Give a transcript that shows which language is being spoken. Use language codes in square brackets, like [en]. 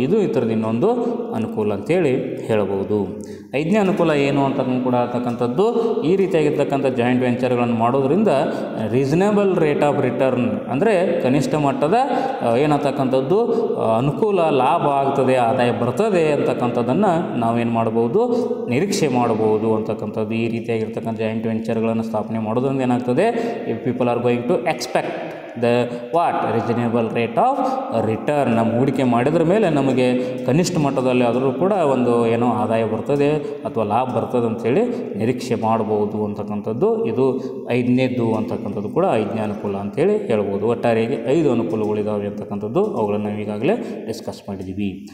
[kn] ಇದು ಈ ಥರದ ಇನ್ನೊಂದು ಅನುಕೂಲ ಅಂತೇಳಿ ಹೇಳ್ಬೋದು. ಐದನೇ ಅನುಕೂಲ ಏನು ಅಂತ ಕೂಡ ಅಂತಕ್ಕಂಥದ್ದು, ಈ ರೀತಿಯಾಗಿರ್ತಕ್ಕಂಥ ಜಾಯಿಂಟ್ ವೆಂಚರ್ಗಳನ್ನು ಮಾಡೋದ್ರಿಂದ [en] reasonable rate of return [kn] ಅಂದರೆ ಕನಿಷ್ಠ ಮಟ್ಟದ ಏನಂತಕ್ಕಂಥದ್ದು ಅನುಕೂಲ ಲಾಭ ಆಗ್ತದೆ, ಆದಾಯ ಬರ್ತದೆ ಅಂತಕ್ಕಂಥದ್ದನ್ನು ನಾವೇನು ಮಾಡ್ಬೋದು, ನಿರೀಕ್ಷೆ ಮಾಡಬಹುದು ಅಂತಕ್ಕಂಥದ್ದು. ಈ ರೀತಿಯಾಗಿರ್ತಕ್ಕಂಥ ಜಾಯಿಂಟ್ ವೆಂಚರ್ಗಳನ್ನು ಸ್ಥಾಪನೆ ಮಾಡೋದ್ರಿಂದ ಏನಾಗ್ತದೆ, [en] If people are going to expect the what reasonable rate of return. [kn] ನಮ್ಮ ಹೂಡಿಕೆ ಮಾಡಿದ್ರ ಮೇಲೆ ನಮಗೆ ಕನಿಷ್ಠ ಮಟ್ಟದಲ್ಲಿ ಆದರೂ ಕೂಡ ಒಂದು ಏನೋ ಆದಾಯ ಬರ್ತದೆ ಅಥವಾ ಲಾಭ ಬರ್ತದೆ ಅಂಥೇಳಿ ನಿರೀಕ್ಷೆ ಮಾಡ್ಬೋದು ಅಂತಕ್ಕಂಥದ್ದು. ಇದು ಐದನೇದ್ದು ಅಂತಕ್ಕಂಥದ್ದು ಕೂಡ ಐದನೇ ಅನುಕೂಲ ಅಂತೇಳಿ ಹೇಳ್ಬೋದು. ಒಟ್ಟಾರೆಗೆ ಐದು ಅನುಕೂಲಗಳಿದ್ದಾವೆ ಅಂತಕ್ಕಂಥದ್ದು ಅವುಗಳನ್ನು ನಾವು ಈಗಾಗಲೇ ಡಿಸ್ಕಸ್ ಮಾಡಿದ್ದೀವಿ.